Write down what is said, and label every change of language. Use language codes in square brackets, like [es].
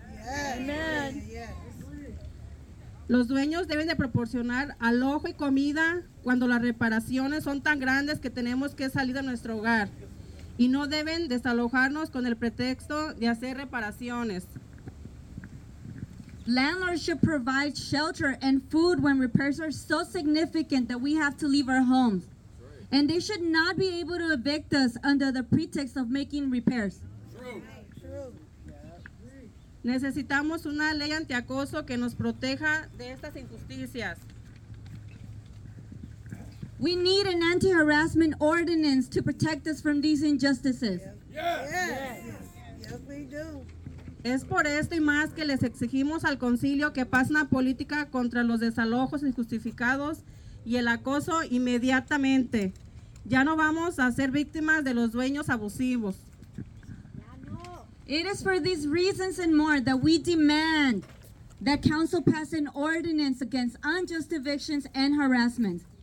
[en] Yes. Amen. Yes. [es] Los dueños deben de proporcionar alojo y comida cuando las reparaciones son tan grandes que tenemos que salir de nuestro hogar. Y no deben desalojarnos con el pretexto de hacer reparaciones. [en] Landlords should provide shelter and food when repairs are so significant that we have to leave our homes. And they should not be able to evict us under the pretext of making repairs. [es] Necesitamos una ley antiacoso que nos proteja de estas injusticias. [en] We need an anti-harassment ordinance to protect us from these injustices. Yes, we do. [es] Es por esto y más que les exigimos al concilio que pase una política contra los desalojos injustificados y el acoso inmediatamente. Ya no vamos a ser víctimas de los dueños abusivos. [en] It is for these reasons and more that we demand that council pass an ordinance against unjust evictions and harassment.